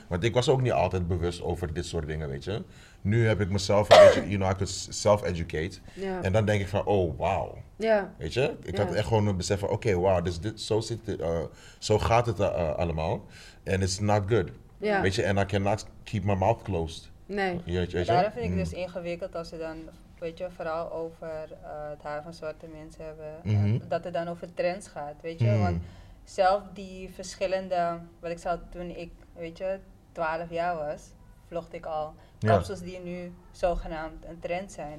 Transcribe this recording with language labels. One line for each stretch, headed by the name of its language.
Dutch: Want ik was ook niet altijd bewust over dit soort dingen, weet je. Nu heb ik mezelf een beetje,
English: you know, I could self-educate.
Dutch: Ja. En dan denk ik van, oh, wow. Ja. Weet je? Ik had echt gewoon een besef van, oké, wow, dus dit, zo gaat het allemaal.
English: And it's not good.
Dutch: Ja. Weet je,
English: and I cannot keep my mouth closed.
Dutch: Nee. Weet je? Daarom vind ik dus ingewikkeld als je dan weet je, vooral over het haar van zwarte mensen hebben. Mm-hmm. En dat het dan over trends gaat, weet je. Mm. Want zelf die verschillende, wat ik zei toen ik, weet je, 12 jaar was, vlogde ik al. Ja. Kapsels die nu zogenaamd een trend zijn.